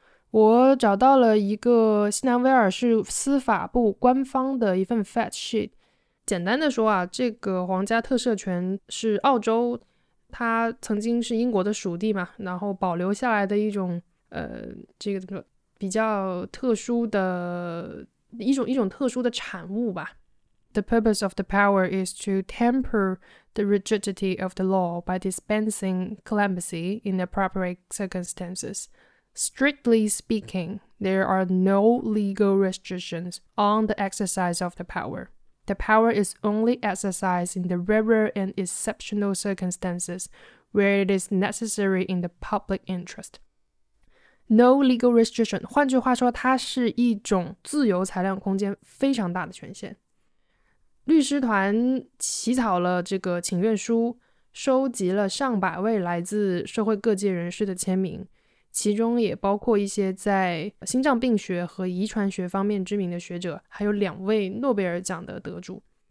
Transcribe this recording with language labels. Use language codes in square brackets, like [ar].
[zh] 我找到了一个新南威尔士司法部官方的一份 fact sheet。简单的说啊，这个皇家特赦权是澳洲，它曾经是英国的属地嘛，然后保留下来的一种这个怎么说，比较特殊的一种特殊的产物吧。 [en] The purpose of the power is to temper the rigidity of the law by dispensing clemency in appropriate circumstances. Strictly speaking, there are no legal restrictions on the exercise of the power. The power is only exercised in the rarer and exceptional circumstances where it is necessary in the public interest. No legal restriction， [zh] 换句话说，它是一种自由裁量空间非常大的权限。律师团起草了这个请愿书，收集了上百位来自社会各界人士的签名，其中也包括一些在心脏病学和遗传学方面知名的学者，还有两位诺贝尔奖的得主。